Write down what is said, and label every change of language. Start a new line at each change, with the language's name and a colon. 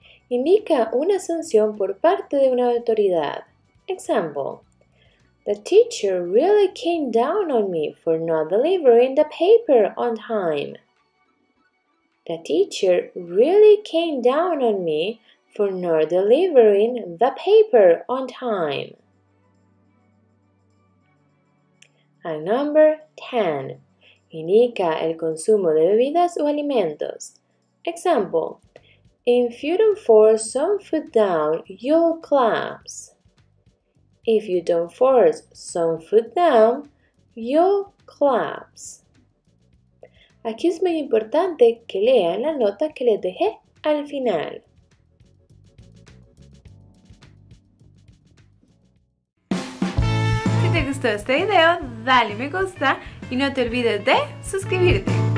Spanish: Indica una sanción por parte de una autoridad.
English: Example, the teacher really came down on me for not delivering the paper on time. The teacher really came down on me for not delivering the paper on time. And number 10.
Spanish: Indica el consumo de bebidas o alimentos.
English: Example, if you don't force some food down, you'll collapse. If you don't force some food down, you'll collapse.
Spanish: Aquí es muy importante que lean la nota que les dejé al final. Si te gustó este video, dale me gusta y no te olvides de suscribirte.